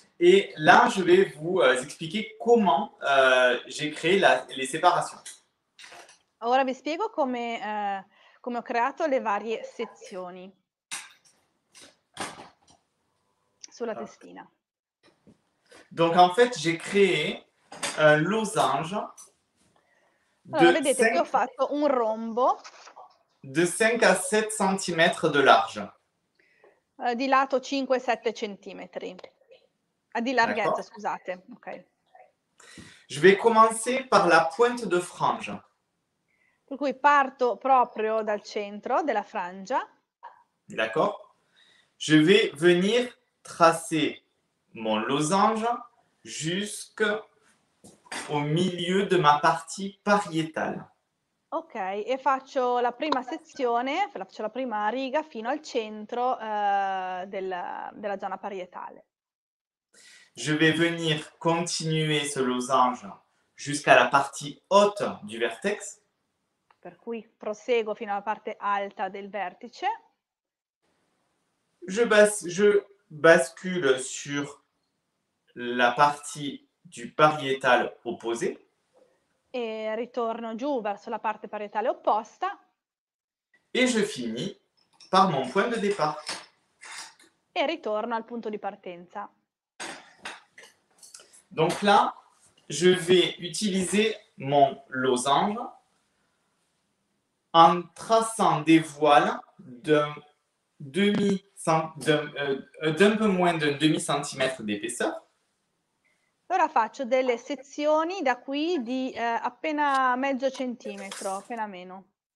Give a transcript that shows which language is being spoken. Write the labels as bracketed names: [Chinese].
[French] Et là, je vais vous expliquer comment j'ai créé les séparations. [Italian] Ora vi spiego come ho creato le varie sezioni sulla testina. [French] Donc en fait, j'ai créé un losange. [Italian] Allora, vedete, io ho fatto un rombo [French] de 5 à 7 cm de large. [Italian] Di lato 5-7 cm. Di larghezza, [French] d'accord. [Italian] Scusate. Ok. [French] Je vais commencer par la pointe de frange. [Italian] Per cui parto proprio dal centro della frangia. [French] D'accord. Je vais venir tracer mon losange jusque au milieu de ma partie pariétale. [Italian] Ok, e faccio la prima sezione, faccio la prima riga fino al centro della zona parietale. [French] Je vais venir continuer ce losange jusqu'à la partie haute du vertex. [Italian] Per cui proseguo fino alla parte alta del vertice. [French] Je bascule sur la partie du pariétal opposé. [Italian] E ritorno giù verso la parte parietale opposta. [French] Et je finis par mon point de départ. [Italian] E ritorno al punto di partenza. [French] Donc là, je vais utiliser mon losange en traçant des voiles d'un peu moins d'un demi centimètre d'épaisseur. [Italian] Allora faccio delle sezioni da qui di appena mezzo centimetro, appena meno.